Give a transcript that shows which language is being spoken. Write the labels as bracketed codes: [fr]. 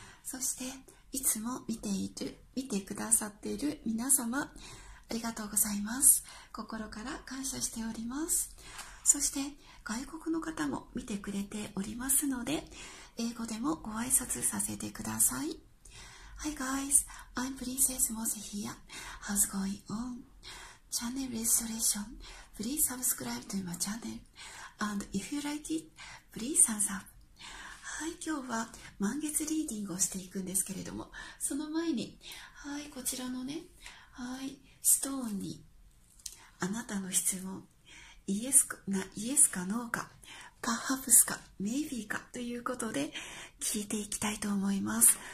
[ja] そしていつも見てくださっている皆様、ありがとうございます。心から感謝しております。そして外国の方も見てくれておりますので、英語でもご挨拶させてください。 [en] Hi guys, I'm Princess Mose here. How's going on? Channel registration. Please subscribe to my channel. And if you like it, please thumbs up. [ja] はい、今日は満月リーディングをしていくんですけれども、その前に、はい、こちらのね、はい、ストーンにあなたの質問、イエスかノーか、パーハプスかメイビーかということで聞いていきたいと思います。